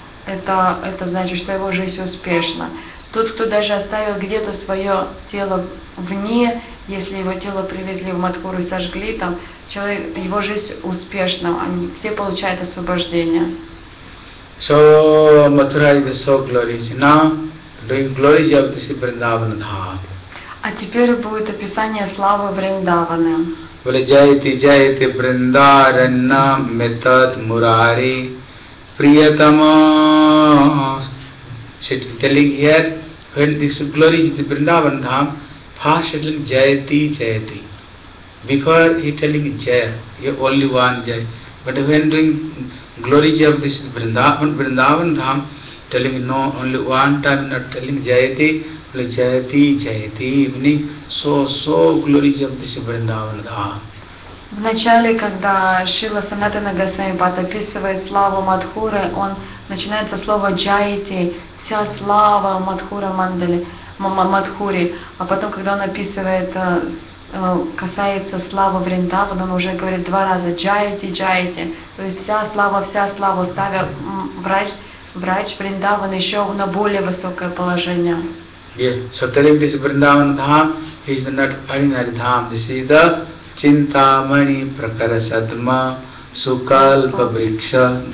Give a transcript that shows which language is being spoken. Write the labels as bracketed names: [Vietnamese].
[Russian] Это значит, что его жизнь успешна. Тот, кто даже оставил где-то свое тело вне, если его тело привезли в Мадхуру и сожгли там, человек, его жизнь успешна, они все получают освобождение. [English] So, Mathura is so glorious. Now, doing glory of this Vrindavan Dham. [Russian] А теперь будет описание славы Вриндаваны. [Sanskrit] Вриджайте, джайте, Вриндаранна, метад, мурари. [English] Priyatama, she is telling here, when this glory is the Vrindavan Dham, first she is telling Jayati, Jayati. Before he is telling Jaya, he is only one Jaya. But when doing glory of this Vrindavan Dham, telling no, only one time, not telling Jayati, but Jayati, Jayati, meaning so glory of this Vrindavan Dham. [Russian] В начале, когда Шрила Санатана Госвами Пад описывает славу Мадхуры, он начинает со слова «джайти», вся слава Мадхура Мандали, Мадхури, а потом, когда он описывает, касается славы Вриндавана, он уже говорит два раза «джайте, джайте», то есть вся слава, ставя врач, врач Вриндаван еще на более высокое положение. [English] Yes, so telling this Vrindavan Dham, he is not Harinari Dham, this is the Chintamani Prakarasadma Sukalpa Vriksha.